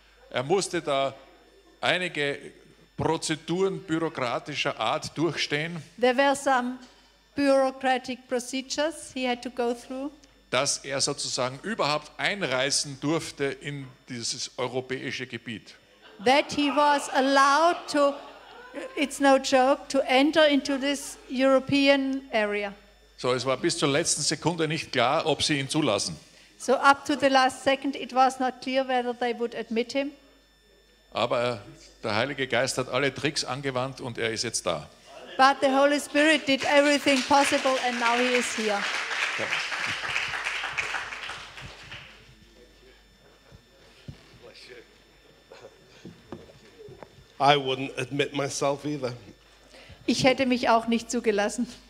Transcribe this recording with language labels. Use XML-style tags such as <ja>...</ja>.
<de>Er musste da einige Prozeduren bürokratischer Art durchstehen.</de> <en>There were some bureaucratic procedures he had to go through.</en> <de>Dass er sozusagen überhaupt einreisen durfte in dieses europäische Gebiet.</de> <en>That he was allowed to, it's no joke, to enter into this European area.</en> <de>So, es war bis zur letzten Sekunde nicht klar, ob sie ihn zulassen.</de> <en>So up to the last second it was not clear whether they would admit him.</en> <de>Aber der Heilige Geist hat alle Tricks angewandt und er ist jetzt da.</de> <en>But the Holy Spirit did everything possible and now he is here.</en> <de>Ja.</de> <en>I wouldn't admit myself either.</en> <de>Ich hätte mich auch nicht zugelassen.</de>